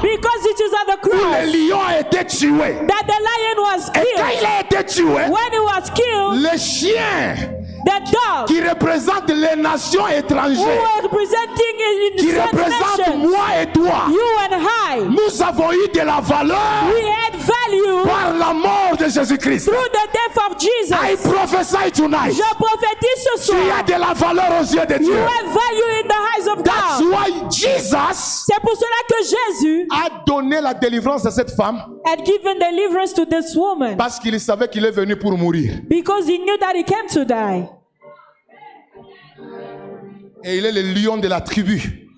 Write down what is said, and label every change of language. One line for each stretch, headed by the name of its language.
English: because it is at the cross,
French: où le lion a été tué,
English: that the lion was killed.
French: Et quand il a été tué,
English: when he was killed,
French: le chien,
English: the dog,
French: qui représente les nations étrangères,
English: who are representing in
French: qui
English: certain
French: représente
English: nations,
French: moi et toi,
English: you and I,
French: nous avons eu de la valeur,
English: we had value,
French: par la mort de Jésus Christ,
English: through the death of Jesus. I prophesy tonight,
French: je prophétise ce soir, tu as de la valeur aux yeux de Dieu,
English: you have value in the eyes of God. That's why Jesus,
French: c'est pour cela que Jésus a donné la délivrance à cette femme,
English: had given deliverance to this woman,
French: parce qu'il savait qu'il est venu pour mourir,
English: because he knew that he came to die.
French: Et il est le lion de la tribu.